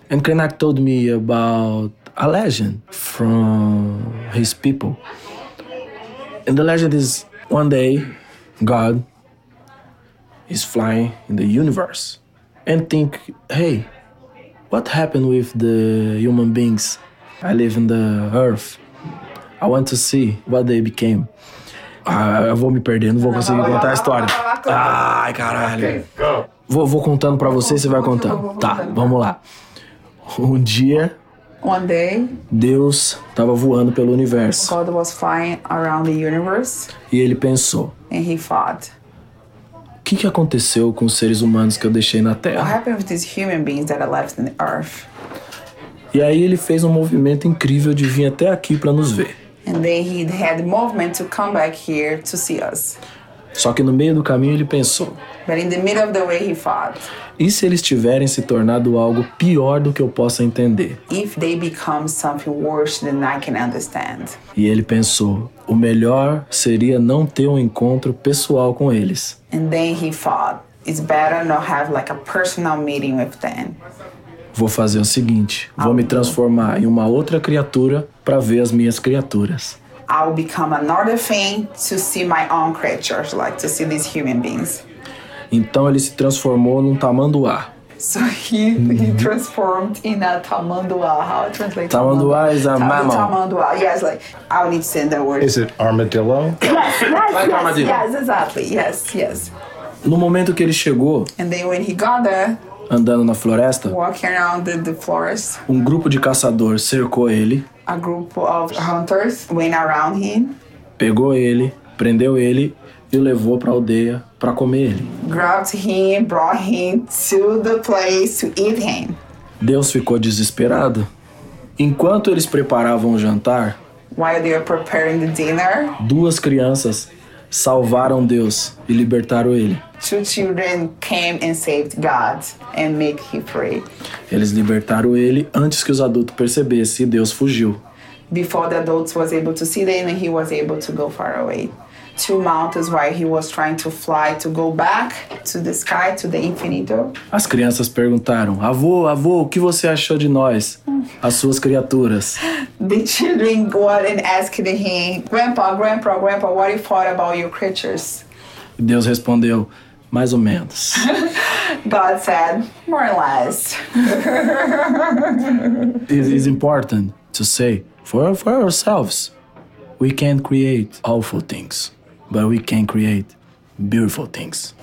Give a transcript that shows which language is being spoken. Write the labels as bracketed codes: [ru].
[en] And Krenak told me about a legend from his people. And the legend is, one day, God is flying in the universe and think, hey, what happened with the human beings? I live in the earth. I want to see what they became. [pt] Eu vou me perdendo, vou conseguir contar a história. Ai, caralho. [en] Okay, go. [pt] Vou contando pra você, você vai contando. Tá, vamos lá. Um dia... [en] One day... [pt] Deus tava voando pelo universo. [en] God was flying around the universe. [pt] E ele pensou... [en] And he thought... [pt] O que aconteceu com os seres humanos que eu deixei na Terra? [en] What happened with these human beings that I left on the Earth? [pt] E aí ele fez um movimento incrível de vir até aqui pra nos ver. [en] And then he had the movement to come back here to see us. [pt] Só que no meio do caminho ele pensou. [en] But in the middle of the way he fought. [pt] E se eles tiverem se tornado algo pior do que eu possa entender? [en] If they become something worse than I can understand. [pt] E ele pensou, o melhor seria não ter um encontro pessoal com eles. [en] And then he thought, it's better not have like a personal meeting with them. [pt] Vou fazer o seguinte, vou me transformar em uma outra criatura para ver as minhas criaturas. [en] I'll become another thing to see my own creatures, like to see these human beings. [pt] Então ele se transformou num tamanduá. [en] So he transformed in a tamanduá. How I translate tamanduá? Tamanduá is a mammal. Tamanduá, yes, like, I'll need to send that word. Is it armadillo? Yes, yes, yes, exactly, yes, yes. [pt] No momento que ele chegou... [en] And then when he got there... [pt] Andando na floresta. [en] Walking around the forest. [pt] Um grupo de caçadores cercou ele. [en] A group of hunters went around him. [pt] Pegou ele, prendeu ele e o levou pra aldeia pra comer ele. [en] Grabbed him, brought him to the place to eat him. [pt] Deus ficou desesperado. Enquanto eles preparavam o jantar. [en] While they were preparing the dinner. [pt] Duas crianças salvaram Deus e libertaram ele. [en] Two children came and saved God and made him free. [pt] Eles libertaram ele antes que os adultos percebessem e Deus fugiu. [en] Before the adults was able to see them, he was able to go far away. Two mountains while he was trying to fly to go back to the sky, to the infinito. [pt] As crianças perguntaram, avô, avô, o que você achou de nós, as suas criaturas? [en] The children go out and ask him, grandpa, grandpa, grandpa, what you thought about your creatures? [pt] Deus respondeu, mais ou menos. [en] God said, more or less. It is important to say, for ourselves, we can't create awful things, but we can create beautiful things.